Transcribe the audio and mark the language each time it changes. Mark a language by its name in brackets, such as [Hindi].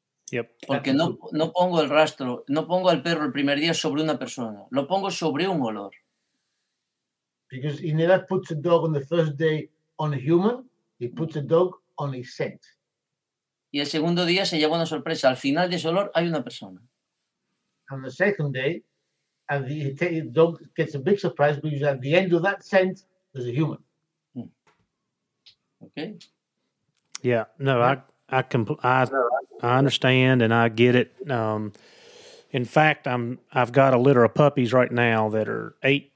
[English] Yep. [Spanish] Porque no pongo el rastro, no pongo al perro el primer día sobre una persona, lo pongo sobre un olor. [English] Because he never puts a dog on the first day on a human, he puts a dog on a scent. [Spanish] Y el segundo día se lleva una sorpresa, al final de ese olor hay una persona. [English] On the second day, and the dog gets a big surprise because at the end of that scent, as a human. Okay. Yeah. No. Yeah. I understand and I get it. In fact, I've got a litter of puppies right now that are eight.